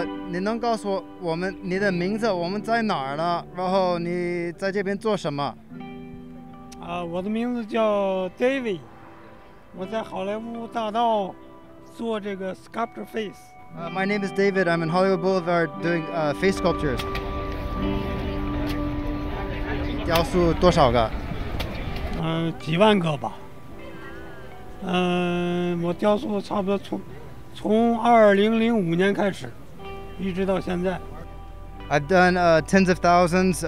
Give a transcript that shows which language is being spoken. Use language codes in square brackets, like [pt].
[zh] 你能告诉我们你的名字，我们在哪儿呢？然后你在这边做什么？我的名字叫 David， 我在好莱坞大道做这个 sculpture face。 [en] My name is David. I'm in Hollywood Boulevard doing face sculptures. [zh] 雕塑多少个？几万个吧。我雕塑差不多从2005年开始，一直到现在。 [en] I've done tens of thousands.